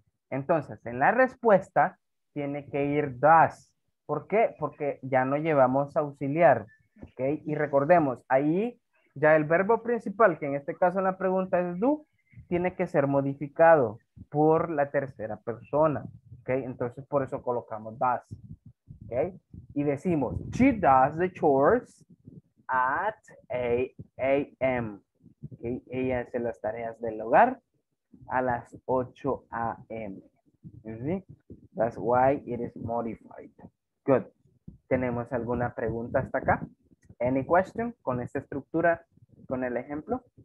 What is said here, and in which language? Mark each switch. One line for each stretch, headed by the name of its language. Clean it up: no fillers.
Spanish: Entonces, en la respuesta tiene que ir does. ¿Por qué? Porque ya no llevamos auxiliar, ¿ok? Y recordemos, ahí ya el verbo principal, que en este caso en la pregunta es do, tiene que ser modificado por la tercera persona, ¿ok? Entonces, por eso colocamos does, ¿ok? Y decimos,
English: she does the chores at 8 a.m. ¿Okay?
Spanish: Ella hace las tareas del hogar a las 8 a.m.
English: ¿Sí? That's why it is modified. Good.
Spanish: ¿Tenemos alguna pregunta hasta acá?
English: Any question
Spanish: con esta estructura, con el ejemplo?